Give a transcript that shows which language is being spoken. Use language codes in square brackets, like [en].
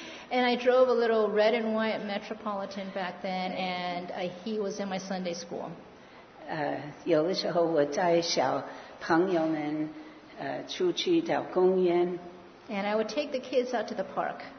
[en] And I drove a little red and white Metropolitan back then, and he was in my Sunday school. [zh] 有的时候我带小朋友们出去到公园。 [en] And I would take the kids out to the park.